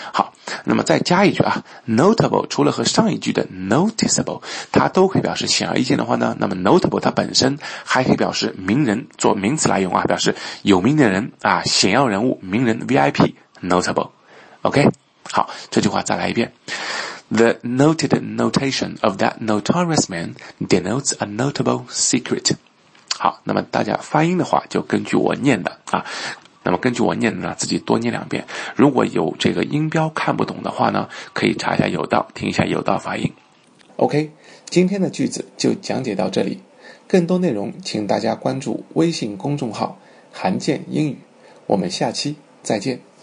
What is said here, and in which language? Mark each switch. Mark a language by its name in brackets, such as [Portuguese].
[Chinese] 好，那么再加一句啊， notable 除了和上一句的 noticeable 它都可以表示显而易见的话呢，那么 notable 它本身还可以表示名人，做名词来用啊，表示有名的人啊，显要人物，名人 VIP notable。 OK， 好，这句话再来一遍。 [English] The noted notation of that notorious man denotes a notable secret。 [Chinese] 好，那么大家发音的话就根据我念的啊，那么根据我念的呢，自己多念两遍。如果有这个音标看不懂的话呢，可以查一下有道，听一下有道发音。 OK， 今天的句子就讲解到这里。更多内容请大家关注微信公众号韩健英语。我们下期再见。